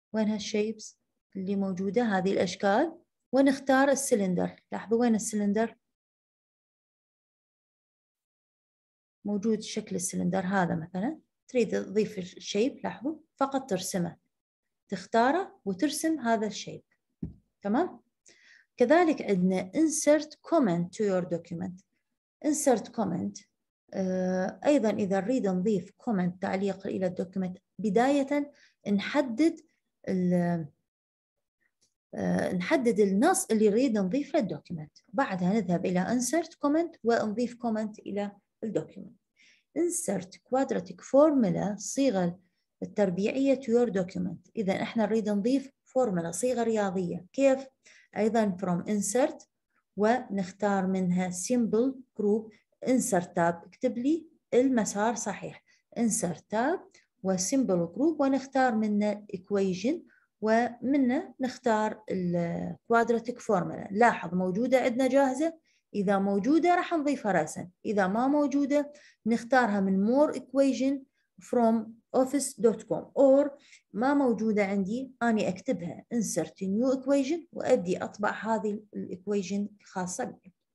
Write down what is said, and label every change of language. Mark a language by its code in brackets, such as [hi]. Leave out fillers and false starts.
[ar] وين هالshapes اللي موجودة؟ هذه الأشكال. ونختار السيلندر. لاحظوا وين السيلندر؟ موجود شكل السيلندر هذا مثلا. تريد تضيف الشيب، لاحظوا، فقط ترسمه، تختاره وترسم هذا الشيب. تمام. كذلك عندنا [en] insert comment to your document. insert comment [ar] ايضا اذا نريد نضيف comment، تعليق الى الدوكيمنت، بداية نحدد نحدد النص اللي نريد نضيفه للدوكيمنت، بعدها نذهب الى insert comment ونضيف comment الى الدوكيمنت. [en] insert quadratic formula، [ar] صيغه التربيعيه [en] to your document. [ar] اذا احنا نريد نضيف فورمولا، صيغه رياضيه، كيف؟ ايضا from insert ونختار منها symbol group. insert tab، اكتب لي المسار صحيح. insert tab و symbol group ونختار منه equation، ومنه نختار الـ quadratic formula. لاحظ موجودة عندنا جاهزة، إذا موجودة راح نضيفها رأسا، إذا ما موجودة نختارها من [en] more equation from office.com، [ar] or ما موجودة عندي أني أكتبها [en] insert new equation [ar] وأبدي أطبع هذه الـ equation الخاصة بي.